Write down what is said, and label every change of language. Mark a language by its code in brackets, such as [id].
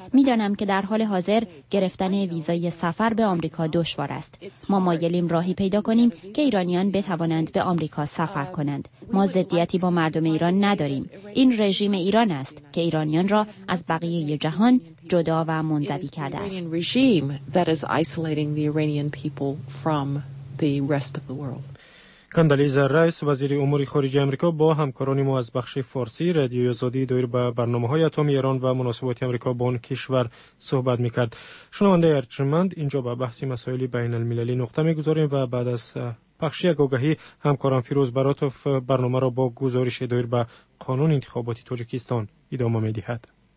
[fa] می‌دانم که در حال حاضر گرفتن ویزای سفر به آمریکا دشوار است. ما مایلیم راهی پیدا کنیم که ایرانیان بتوانند به آمریکا سفر کنند. ما ضدیتی با مردم ایران نداریم. این رژیم ایران است که ایرانیان را از بقیه جهان جدا و منزوی کرده است. رژیم [en] that is isolating the Iranian people from the rest of the world. [fa] کاندالیزا رایس وزیر امور خارجه آمریکا با همکاران ما از بخش فارسی رادیو آزادی دایر به برنامه‌های اتمی ایران و مناسبات آمریکا با آن کشور صحبت می‌کرد. شنونده ارجمند اینجا با بحث مسائل بین‌المللی نقطه می‌گذاریم و بعد از بخشی آگاهی همکاران فیروز براتوف برنامه را با گزارش دایر به قانون انتخاباتی تاجیکستان ادامه می‌دهد.